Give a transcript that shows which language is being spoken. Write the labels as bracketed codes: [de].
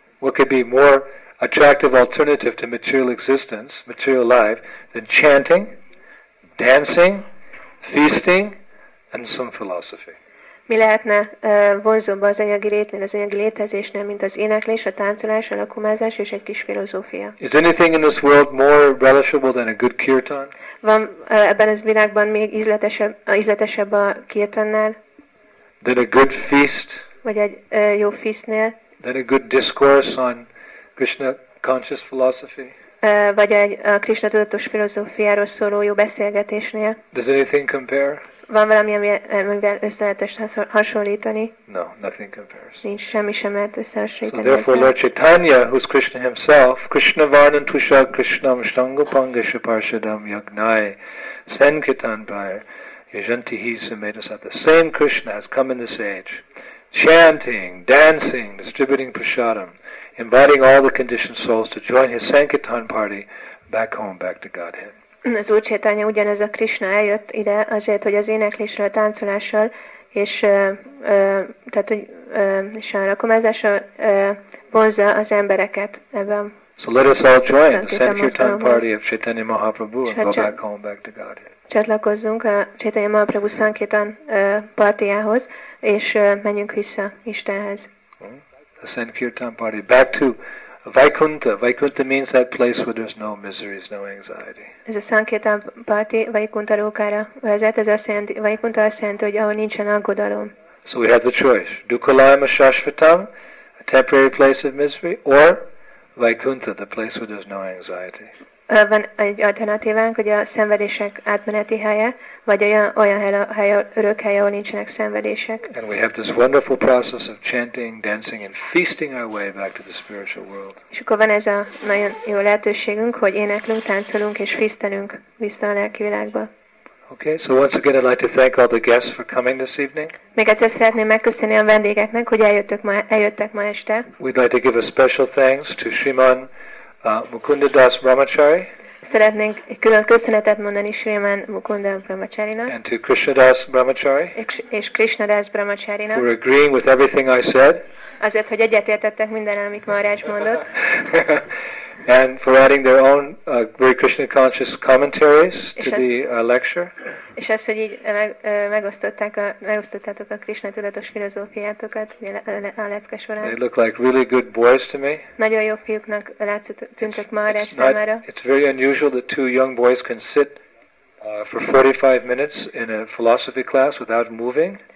[en] What could be more attractive alternative to material existence, material life, than chanting, dancing, feasting, and some philosophy? [hu] Mi lehetne vonzóbb az anyagi létnél, az anyagi létezésnél, mint az éneklés, a táncolás, a lakomázás és egy kis filozófia? [en] Is anything in this world more relishable than a good kirtan? [hu] Van ebben a világban még ízletesebb a kirtannál? [en] Than a good feast? [hu] Vagy egy jó feastnél? [en] Than a good discourse on Krishna conscious philosophy? [hu] Vagy egy a Krishna tudatos filozófiáról szóló jó beszélgetésnél? [en] Does anything compare? [hu] Van valami, amivel össze lehet hasonlítani? [en] No, nothing compares. [hu] Nincs semmi sem lehet összehasonlítani. [en] So therefore Lord Chaitanya, who is Krishna himself, [sa] Krishna Varnan Tusha Krishna Mshtanga Panga Shaparshadam Yagnai Sankirtan Bhai Yajanti Hi Sumedasat. [en] The same Krishna has come in this age, chanting, dancing, distributing prasadam, inviting all the conditioned souls to join his Sankirtan party back home, back to Godhead. [hu] Az Úr Chaitanya ugyanez a Krishna eljött ide azért, hogy az énekléssel, a táncolással és tehát hogy és a rakomázással vonzza az embereket ebben. [en] So let us all join the Sankirtan party of Chaitanya Mahaprabhu and go back home, back to Godhead. [hu] Csatlakozzunk a Chaitanya Mahaprabhu Sankirtan partiához és menjünk vissza Istenhez. [en] The Sankirtan party back to Vaikuntha. Vaikuntha means that place where there's no miseries, no anxiety. [hu] Ez a Sankirtan party Vaikuntha lókára vezet, ez azt jelenti, Vaikuntha azt jelenti, hogy ahol nincsen aggodalom. [en] So we have the choice. [sa] Dukkhalayam Ashashvatam, [en] a temporary place of misery, or Vaikuntha, the place where there's no anxiety. [hu] Van egy alternatívánk, hogy a szenvedések átmeneti helye, vagy olyan hely, örök helye, ahol nincsenek szenvedések. [en] And we have this wonderful process of chanting, dancing and feasting our way back to the spiritual world. [hu] És akkor van ez a nagyon jó lehetőségünk, hogy éneklünk, táncolunk és fisztelünk vissza a lelki világba. [en] Okay, so once again I'd like to thank all the guests for coming this evening. [hu] Még egyszer szeretném megköszönni a vendégeknek, hogy eljöttek ma este. [en] We'd like to give a special thanks to Sriman Mukunda Das Brahmachari. [hu] Szeretnénk külön köszönetet mondani Sriman Mukunda Brahmacharinak. [en] And to Krishna Das Brahmachari. [hu] És Krishna Das Brahmacharinak. [en] For agreeing with everything I said. [hu] Azért, hogy egyetértettek minden, amit Maharaj mondott. [en] And for adding their own very Krishna conscious commentaries to the lecture. [hu] És azt, hogy így megosztottátok a Krishna tudatos filozófiátokat a lecke során. [en] They look like really good boys to me. [hu] Nagyon jó fiúknak tűntek ma a rács számára. [en] It's very unusual that two young boys can sit for 45 minutes in a philosophy class without moving.